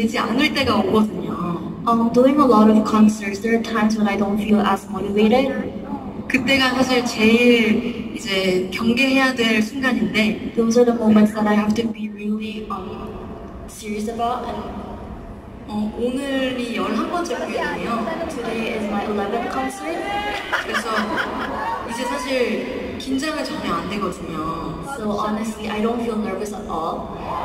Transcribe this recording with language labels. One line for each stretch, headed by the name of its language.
English: Doing a lot of concerts, there are times when I don't feel as motivated.
Korean: 그때가 사실 제일 이제 경계해야 될 순간인데.
English: Those are the moments that I have to be really serious about. And
Korean: 오늘이 11번째 공연이에요.
English: Today is my 11th concert.
Korean: 그래서 이제 사실 긴장을 전혀 안 되거든요.
English: So honestly, I don't feel nervous at all.